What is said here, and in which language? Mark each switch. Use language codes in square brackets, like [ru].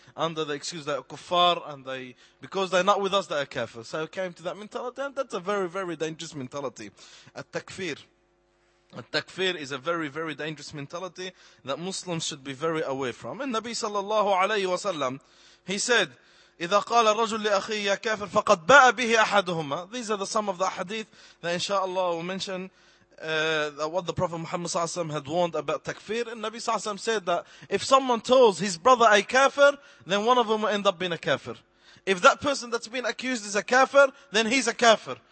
[en] Under the excuse that are kuffar, and they, because they're not with us, they are kafir. So it came to that mentality, and that's a very, very dangerous mentality. At-takfir. A takfir is a very, very dangerous mentality that Muslims should be very aware from. And Nabi sallallahu alayhi wa sallam, he said, [ar] إذا قال الرجل لأخيه يا كافر فقد باء به أحدهما. [en] These are the some of the hadith that inshallah will mention what the Prophet Muhammad صلى الله عليه وسلم had warned about takfir. [ar] النبي صلى الله عليه وسلم [en] said that if someone tells his brother a kafir, then one of them will end up being a kafir. If that person that's been accused is a kafir, then he's a kafir.